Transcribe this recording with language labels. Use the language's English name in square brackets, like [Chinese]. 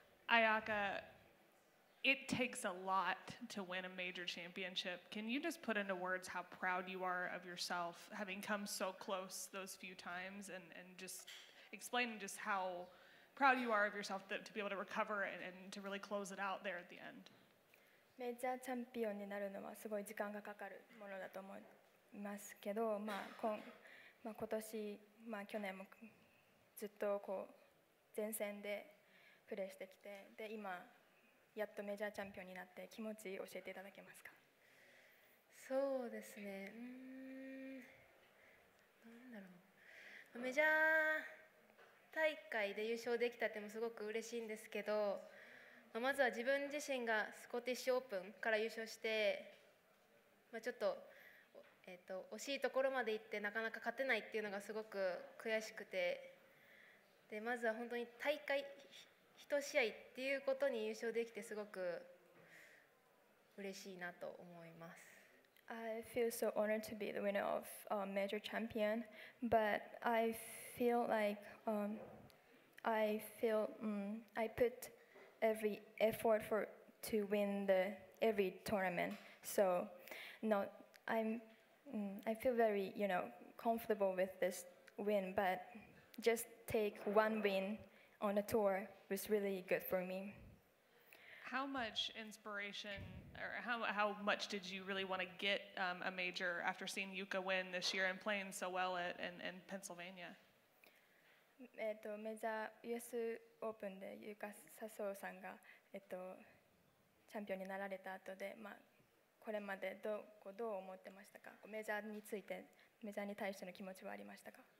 [English] Ayaka. It takes a lot to win a major championship. Can you just put into words how proud you are of yourself, having come so close those few times, and just explain just how proud you are of yourself to be able to recover and to really close it out there at the end? [Japanese] メジャーチャンピオンになるのはすごい時間がかかるものだと思いますけど、まあ今年、まあ去年もずっとこう前線でプレーしてきて、で今やっとメジャーチャンピオンになって気持ち教えていただけますか。そうですね。なんだろう。メジャー大会で優勝できたってもすごく嬉しいんですけど、まずは自分自身がスコティッシュオープンから優勝して、まあ、ちょっと惜しいところまで行ってなかなか勝てないっていうのがすごく悔しくて、でまずは本当に大会一試合っていうことに優勝できてすごく嬉しいなと思います。 [English] I feel so honored to be the winner of a major champion, but I feel like I put every effort for to win the every tournament. So, not I feel very comfortable with this win, but just take one win. On a tour was really good for me. How much inspiration, or how much did you really want to get a major after seeing Yuka win this year and playing so well at in Pennsylvania? [Japanese] メジャー US オープンでユカ・サソウさんが、チャンピオンになられた後で、まあ、これまでどう思ってましたか？メジャーについて、メジャーに対しての気持ちはありましたか？